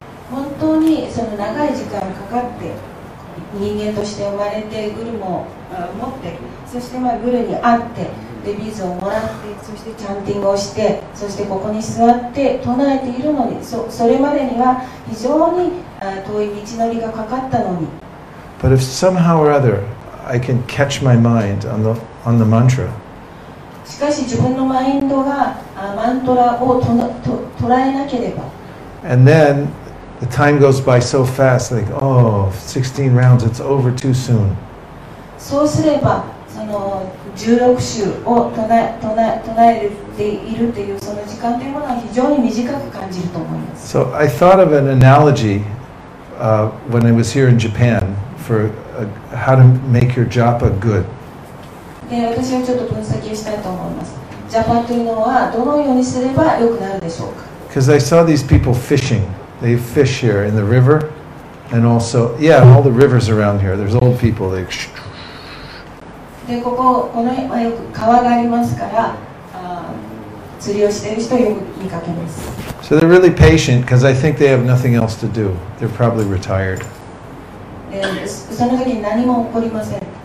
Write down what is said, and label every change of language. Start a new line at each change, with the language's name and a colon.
Japanese: 本当にその長い時間かかって人間として生まれてグルも持ってそしてまあグルに会ってでビーズをもらってそしてチャンティングをしてそしてここに座って唱えているのに それまでには非常に遠い道のりがかかったのに
English: But if somehow or other I can catch my mind on the mantra
Japanese: しかし自分のマインドがマントラを捉えなければ
English: And then the time goes by so fast like oh 16 rounds it's over too soon
Japanese: そうすればその16週を唱えているっていうその時間というものは非常に短く感じると思います
English: So I thought of an analogy when I was here in Japan for how to make your japa good
Japanese: で私はちょっと分析したいと思いますジャパというのはどのようにすればよくなるでしょうか
English: Because I saw these people fishing. They fish here in the river. And also, yeah, all the rivers around here. There's old people.
Japanese: で、ここ、この辺はよく川がありますから、釣りをしている人よく見かけます。
English: So they're really patient because I think they have nothing else to do. They're probably retired.
Japanese: で、その時に何も起こりません。